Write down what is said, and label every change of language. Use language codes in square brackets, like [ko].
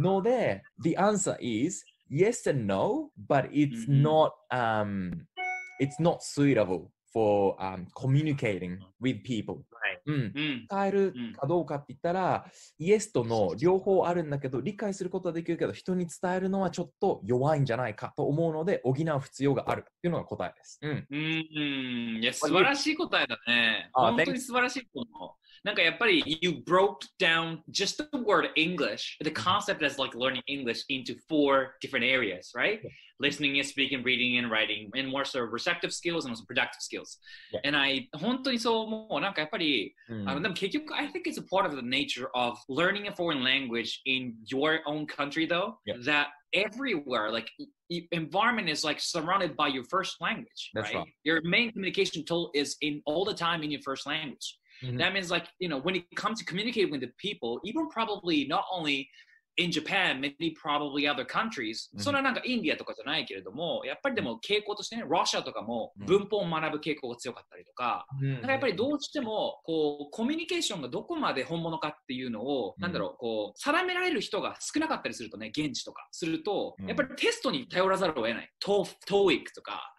[en] ので、the answer is yes and no, but it's not, It's not suitable for communicating with people. Right. [ja] 伝えるかどうかって言ったら、Yes と No 両方あるんだけど、理解することはできるけど、人に伝えるのはちょっと弱いんじゃないかと思うので、補う必要があるっていうのが答えです。いや、素晴らしい答えだね。本当に素晴らしいと思う。なんかやっぱり、 [en] You broke down just the word English, the concept is like learning English into four different areas, right? Listening and speaking, reading and writing, and more so receptive skills and also productive skills. Yeah. And I, [ja] 本当にそう思う。なんかやっぱり、でも結局、 [en] I think it's a part of the nature of learning a foreign language in your own country, though, that everywhere, like, environment is like surrounded by your first language, right? Your main communication tool is in all the time in your first language. That means like, you know, when it comes to communicating with the people, even probably not only... In Japan, maybe probably other countries. [ja] そんななんかインディアとかじゃないけれども、やっぱりでも傾向としてね、ロシアとかも文法を学ぶ傾向が強かったりとか、なんかやっぱりどうしてもこうコミュニケーションがどこまで本物かっていうのを、なんだろう、こう定められる人が少なかったりするとね、現地とかすると、やっぱりテストに頼らざるを得ない。TOEIC とか。